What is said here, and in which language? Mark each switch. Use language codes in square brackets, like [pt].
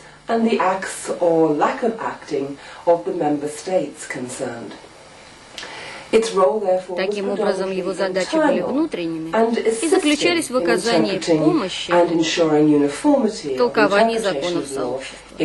[en] And the acts or lack of acting of the member states concerned. Its role, therefore, [ru] таким образом, его задачи были внутренними и заключались в оказании помощи [en] and ensuring uniformity of [ru] толковании законов сообщества.